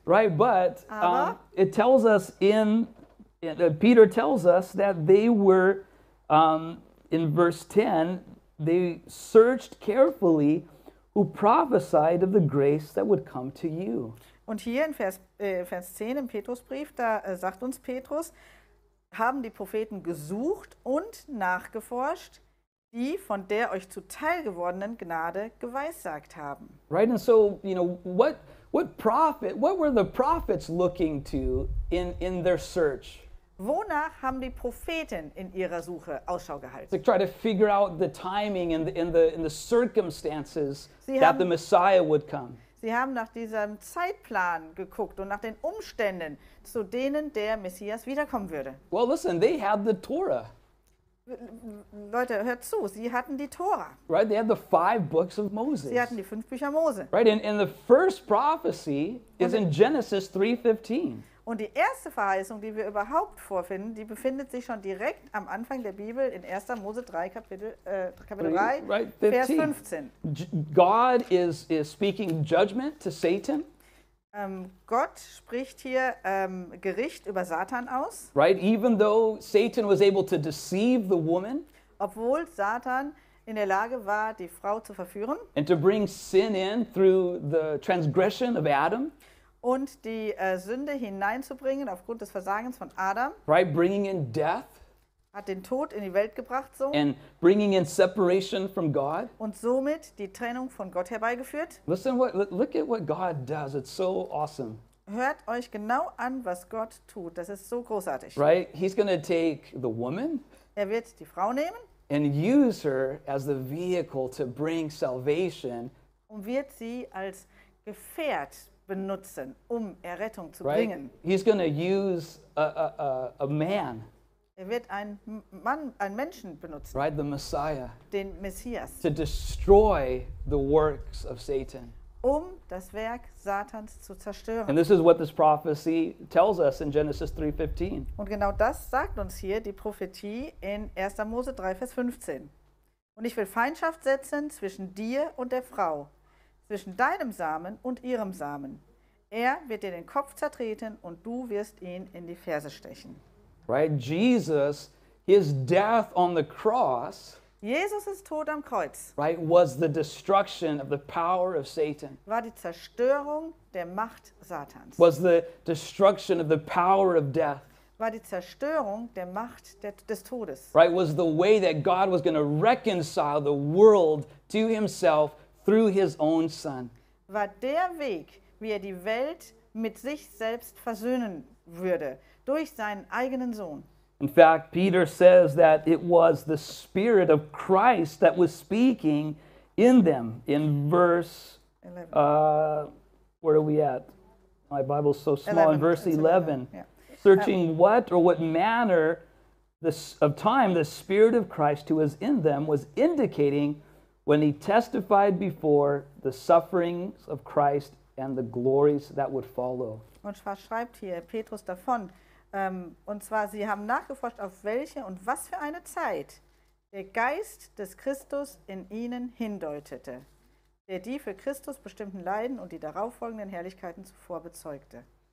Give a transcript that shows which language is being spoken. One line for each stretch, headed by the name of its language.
English: Right, but it tells us Peter tells us that they were, in verse 10, they searched carefully who prophesied of the grace that would come to you.
German: Und hier in Vers 10 im Petrusbrief, da sagt uns Petrus, haben die Propheten gesucht und nachgeforscht, die von der euch zuteil gewordenen Gnade geweissagt haben.
English: Right, and so, you know, what were the prophets looking to in their search?
German: Wonach haben die Propheten in ihrer Suche Ausschau gehalten?
English: To try to figure out the timing and in the circumstances that the Messiah would come.
German: Sie haben nach diesem Zeitplan geguckt und nach den Umständen, zu denen der Messias wiederkommen würde.
English: Well, listen, they had the Torah.
German: Leute, hört zu, sie hatten die Tora.
English: Right, they had the five books of Moses.
German: Sie hatten die fünf Bücher Mose.
English: Right, and the first prophecy is in Genesis 3:15.
German: Und die erste Verheißung, die wir überhaupt vorfinden, die befindet sich schon direkt am Anfang der Bibel in 1. Mose 3, Kapitel 3, Vers 15.
English: God is speaking judgment to Satan.
German: Gott spricht hier Gericht über Satan aus.
English: Right, even though Satan was able to deceive the woman.
German: Obwohl Satan in der Lage war, die Frau zu verführen.
English: And to bring sin in through the transgression of Adam.
German: Und die Sünde hineinzubringen aufgrund des Versagens von Adam.
English: Right, bringing in death.
German: Hat den Tod in die Welt gebracht so.
English: And bringing in separation from God.
German: Und somit die Trennung von Gott herbeigeführt.
English: Listen, look at what God does. It's so awesome.
German: Hört euch genau an, was Gott tut. Das ist so großartig.
English: Right, he's going to take the woman.
German: Er wird die Frau nehmen.
English: And use her as the vehicle to bring salvation.
German: Und wird sie als Gefährt benutzen, um Errettung zu
English: right?
German: bringen.
English: He's going to use a man.
German: Er wird einen Menschen benutzen.
English: Right, the Messiah.
German: Den Messias.
English: To destroy the works of Satan.
German: Um das Werk Satans zu zerstören.
English: And this is what this prophecy tells us in Genesis 3:15.
German: Und genau das sagt uns hier die Prophetie in 1. Mose 3, Vers 15. Und ich will Feindschaft setzen zwischen dir und der Frau, zwischen deinem Samen und ihrem Samen. Er wird dir den Kopf zertreten und du wirst ihn in die Ferse stechen.
English: Right, Jesus, his death on the cross,
German: Jesus ist tot am Kreuz,
English: right, was the destruction of the power of Satan.
German: War die Zerstörung der Macht Satans.
English: Was the destruction of the power of death.
German: War die Zerstörung der Macht des Todes.
English: Right, was the way that God was going to reconcile the world to himself through his own son.
German: War der Weg, wie er die Welt mit sich selbst versöhnen würde. Durch seinen eigenen Sohn.
English: In fact, Peter says that it was the Spirit of Christ that was speaking in them. In verse, 11. Where are we at? My Bible's so small. 11. In verse 11. Yeah. Searching what or what manner of time the Spirit of Christ who was in them was indicating when he testified before the sufferings of Christ and the glories that would follow.
German: Und was schreibt hier Petrus davon? Und zwar, sie haben nachgeforscht, auf welche und was für eine Zeit der Geist des Christus in ihnen hindeutete, der die für Christus bestimmten Leiden und die darauffolgenden Herrlichkeiten zuvor bezeugte.